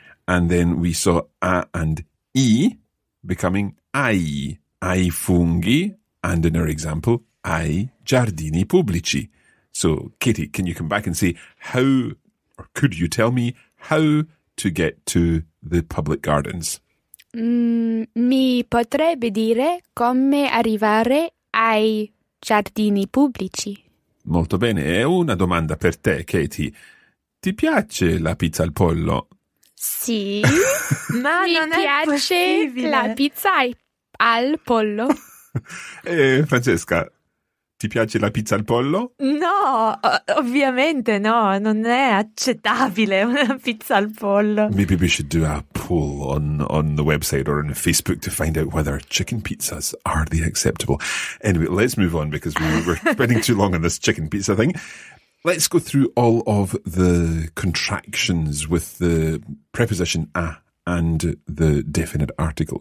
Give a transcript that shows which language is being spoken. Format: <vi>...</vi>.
<en>And then we saw a and I becoming ai.</en> <it>Ai funghi,</it> <en>and in our example,</en> <it>ai giardini pubblici.</it> <en>So, Katie, can you come back and say how, or could you tell me how to get to the public gardens?</en> <it>Mi potrebbe dire come arrivare ai giardini pubblici. Molto bene, è una domanda per te, Katie. Ti piace la pizza al pollo? Sì, ma non mi piace la pizza al pollo. Francesca, ti piace la pizza al pollo? No, ovviamente no, non è accettabile una pizza al pollo.</it> <en>Maybe we should do a poll on the website or on Facebook to find out whether chicken pizzas are the acceptable. Anyway, let's move on because we're spending too long on this chicken pizza thing. Let's go through all of the contractions with the preposition a and the definite article.</en>